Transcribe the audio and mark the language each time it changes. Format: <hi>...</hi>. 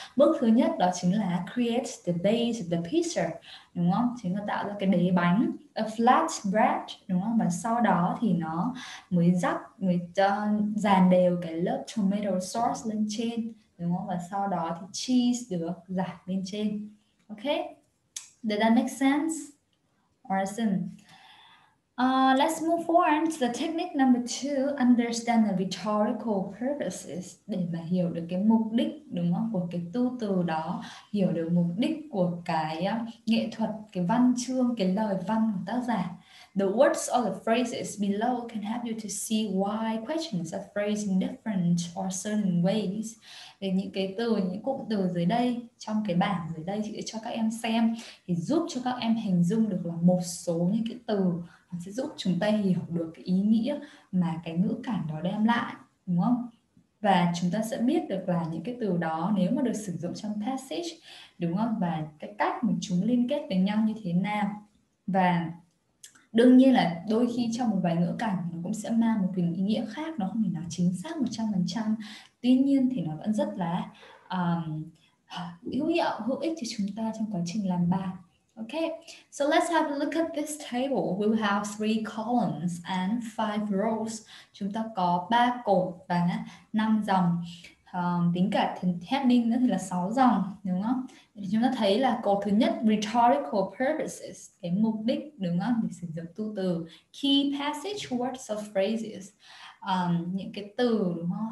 <vi>Bước thứ nhất đó chính là</vi> <en>create the base of the pizza</en> <vi>đúng không, chính là tạo ra cái đế bánh, a flat bread đúng không, và sau đó thì nó mới rắc, mới dàn đều cái lớp tomato sauce lên trên đúng không, và sau đó thì cheese được rải lên trên.</vi> <en>Ok, does that make sense? Awesome. Let's move on to the technique number two, understand the rhetorical purposes.</en> <vi>Để mà hiểu được cái mục đích đúng không của cái tu từ đó, hiểu được mục đích của cái nghệ thuật, cái văn chương, cái lời văn của tác giả.</vi> <en>The words or the phrases below can help you to see why questions are phrased in different or certain ways.</en> <vi>Về những cái từ, những cụm từ dưới đây, trong cái bảng dưới đây chị sẽ cho các em xem, thì giúp cho các em hình dung được là một số những cái từ sẽ giúp chúng ta hiểu được cái ý nghĩa mà cái ngữ cảnh đó đem lại đúng không, và chúng ta sẽ biết được là những cái từ đó nếu mà được sử dụng trong passage đúng không, và cái cách mà chúng liên kết với nhau như thế nào. Và đương nhiên là đôi khi trong một vài ngữ cảnh nó cũng sẽ mang một cái ý nghĩa khác, nó không thể nào chính xác 100%, tuy nhiên thì nó vẫn rất là hữu hiệu, hữu ích cho chúng ta trong quá trình làm bài.</vi> <en>Okay, so let's have a look at this table. We will have three columns and five rows.</en> <vi>Chúng ta có ba cột và năm dòng. tính cả heading nữa thì là 6 dòng đúng không? Thì chúng ta thấy là câu thứ nhất rhetorical purposes, cái mục đích đúng không? Để sử dụng tu từ</vi> <en>key passage words or phrases,</en> <vi>những cái từ đúng không?</vi>